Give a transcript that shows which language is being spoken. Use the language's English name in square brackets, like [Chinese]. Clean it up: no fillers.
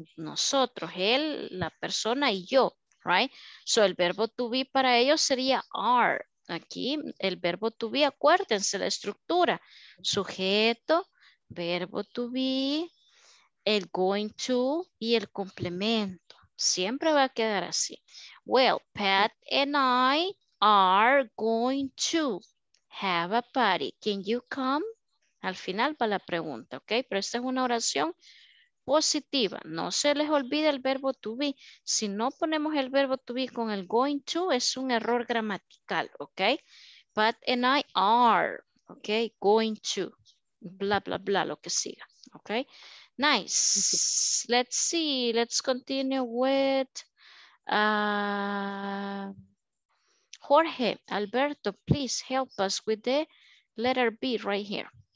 [Spanish] Nosotros, él, la persona y yo, right? So, el verbo to be para ellos sería are. Aquí el verbo to be, acuérdense la estructura, sujeto, verbo to be, el going to y el complemento. Siempre va a quedar así. [English] Well, Pat and I are going to have a party. Can you come? [Spanish] Al final va la pregunta, ¿ok? Pero esta es una oración positiva. No se les olvide el verbo to be. Si no ponemos el verbo to be con el going to, es un error gramatical, ¿ok? [English] Pat and I are, [Spanish] ¿ok? Going to, bla, bla, bla, lo que siga, ¿ok? [English] Nice. Let's see. Let's continue with Jorge, Alberto, please help us with the letter B right here.